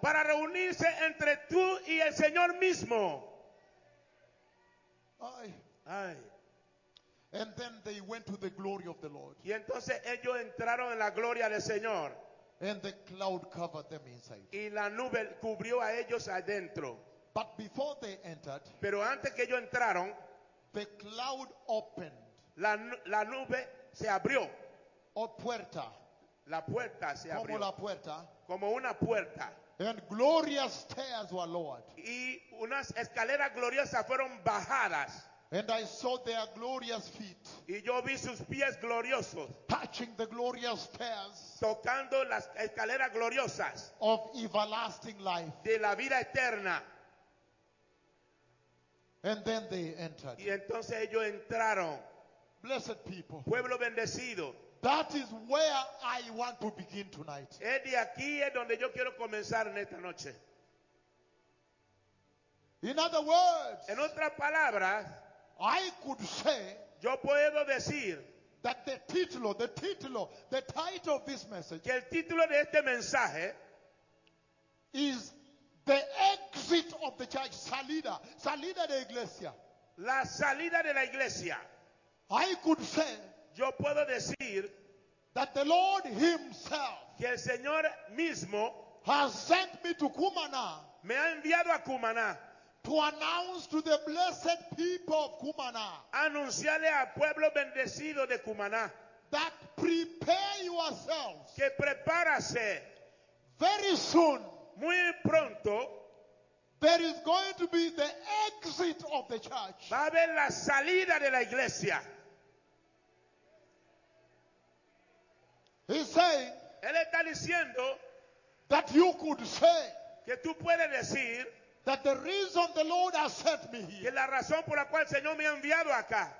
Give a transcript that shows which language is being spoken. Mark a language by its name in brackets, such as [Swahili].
[Spanish] Para reunirse entre tú y el Señor mismo. Ay. [English] And then they went to the glory of the Lord. [Spanish] Y entonces ellos entraron en la gloria del Señor. [English] And the cloud covered them inside. [Spanish] Y la nube cubrió a ellos adentro. [English] But before they entered, [Spanish] pero antes que ellos entraron, [English] the cloud opened. [Spanish] La nube se abrió. O puerta. La puerta se como abrió. Como la puerta. Como una puerta. [English] And glorious stairs were lowered. [Spanish] Y unas escaleras gloriosas fueron bajadas. [English] And I saw their glorious feet. [Spanish] Y yo vi sus pies gloriosos. [English] Touching the glorious stairs. [Spanish] Tocando las escaleras gloriosas. [English] Of everlasting life. [Spanish] De la vida eterna. [English] And then they entered. [Spanish] Y entonces ellos entraron. [English] Blessed people. [Spanish] Pueblo bendecido. [English] That is where I want to begin tonight. [Spanish] Es de aquí es donde yo quiero comenzar en esta noche. [English] In other words. [Spanish] En otras palabras. [English] I could say. [Spanish] Yo puedo decir. [English] That the title of this message. [Spanish] Que el título de este mensaje. [English] Is the exit of the church. [Spanish] Salida de iglesia. La salida de la iglesia. [English] I could say. [Spanish] Yo puedo decir [English] that the Lord himself [Spanish] que el Señor mismo [English] has sent me to Cumaná, [Spanish] me ha enviado a Cumaná [English] to announce to the blessed people of Cumaná, [Spanish] anunciarle al pueblo bendecido de Cumaná [English] that prepare yourselves [Spanish] que prepárase [English] very soon [Spanish] muy pronto [English] there is going to be the exit of the church [Spanish] va a haber la salida de la iglesia. [English] He's saying [Spanish] él está diciendo [English] that you could say [Spanish] que tú puedes decir [English] that the reason the Lord has sent me here [Spanish] que la razón por la cual el Señor me ha enviado acá